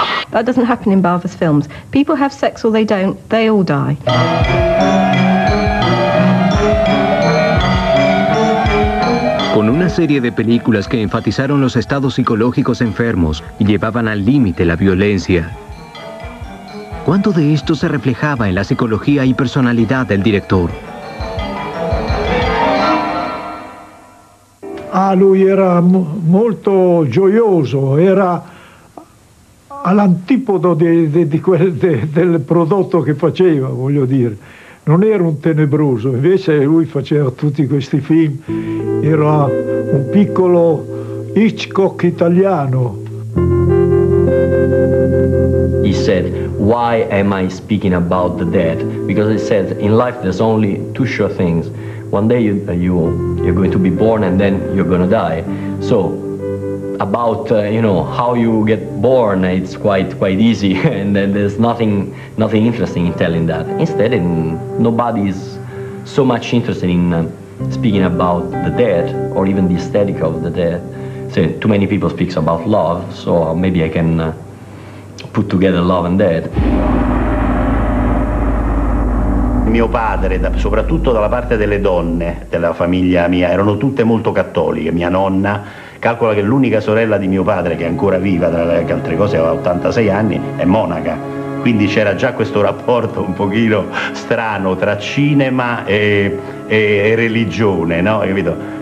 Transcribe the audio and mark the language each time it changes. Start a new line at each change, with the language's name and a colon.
English: That doesn't happen in Bava's films. People have sex or they don't, they all die.
Spanish: Con una serie de películas que enfatizaron los estados psicológicos enfermos y llevaban al límite la violencia. ¿Cuánto de esto se reflejaba en la psicología y personalidad del director?
Italian: Ah, lui era molto gioioso, era all'antipodo del prodotto che faceva, voglio dire. Non era un tenebroso, invece lui faceva tutti questi film, era un piccolo Hitchcock italiano.
English: He said, why am I speaking about the dead? Because he said, in life there's only two sure things. One day you're going to be born and then you're going to die. So, about, you know, how you get born, it's quite easy, and then there's nothing interesting in telling that. Instead, nobody is so much interested in speaking about the dead, or even the aesthetic of the dead. So, too many people speak about love, so maybe I can put together love and dead.
Italian: Mio padre, soprattutto dalla parte delle donne della famiglia mia, erano tutte molto cattoliche, mia nonna, calcola che l'unica sorella di mio padre, che è ancora viva, tra le altre cose, aveva 86 anni, è monaca. Quindi c'era già questo rapporto un pochino strano tra cinema e religione, no? Capito?